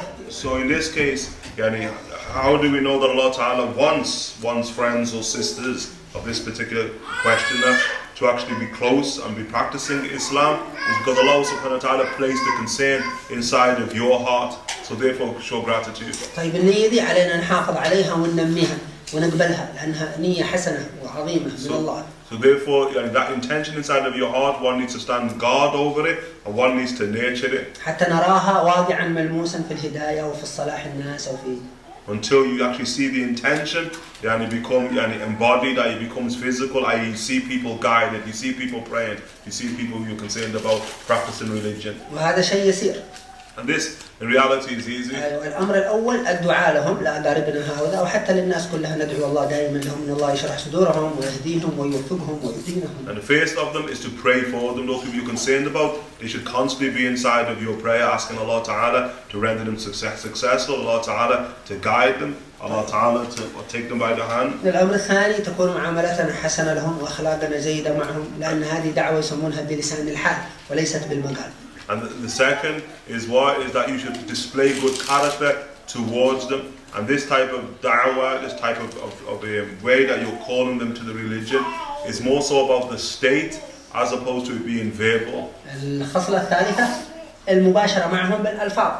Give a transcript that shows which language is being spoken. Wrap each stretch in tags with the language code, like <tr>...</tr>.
<en>So in this case,</en> <ar>يعني,</ar> <en>how do we know that Allah Ta'ala wants friends or sisters of this particular questioner to actually be close and be practicing Islam? It's because Allah Subhanahu wa Ta'ala placed the concern inside of your heart. So therefore, show gratitude.</en> <ar>طيب النية دي علينا نحافظ عليها وننميها. ونقبلها لأنها نية حسنة وعظيمة من الله.</ar> <en>So therefore,</en> <ar>يعني</ar> <en>that intention inside of your heart, one needs to stand guard over it, and one needs to nurture it.</en> <ar>حتى نراها واضعا ملموسا في الهداية وفي الصلاح الناس وفي.</ar> <en>Until you actually see the intention,</en> <ar>يعني</ar> <en>become يعني embodied, it becomes physical. I see people guided, you see people praying, you see people you're concerned about practicing religion.</en> <ar>وهذا شيء يسير.</ar> <en>And this, in reality, is easy.</en> <ar>الأمر الأول الدعاء لهم لأقاربنا هؤلاء وحتى للناس كلها ندعو الله دائما لهم إن الله يشرح صدورهم ويهديهم ويوفقهم ويدينهم.</ar> <en>And the first of them is to pray for them. Those people you're concerned about, they should constantly be inside of your prayer, asking Allah Ta'ala to render them successful, Allah Ta'ala to guide them, Allah Ta'ala to take them by the hand.</en> <ar>الأمر الثاني تكون معاملتنا حسنة لهم وأخلاقنا جيدة معهم لأن هذه دعوة يسمونها بلسان الحال وليست بالمقال.</ar> <en>And the second is what is that you should display good character towards them. And this type of da'wah, this type of a way that you're calling them to the religion is more so about the state as opposed to it being verbal.</en> <ar>الخصلة الثالثة المباشرة معهم بالألفاظ.</ar>